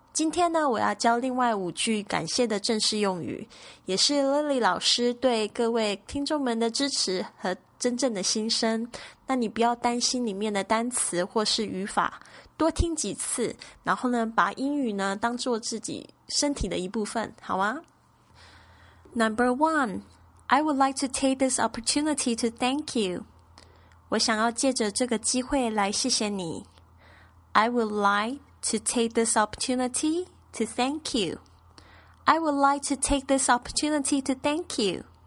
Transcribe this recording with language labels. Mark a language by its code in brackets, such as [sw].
[zh] 今天呢，我要教另外五句感谢的正式用语，也是 Lily 老师对各位听众们的支持和真正的心声。那你不要担心里面的单词或是语法，多听几次，然后呢，把英语呢当作自己身体的一部分，好吗？ [en] Number one, I would like to take this opportunity to thank you. [zh] 我想要借着这个机会来谢谢你。 [en] I would like to take this opportunity to thank you. I would like to take this opportunity to thank you.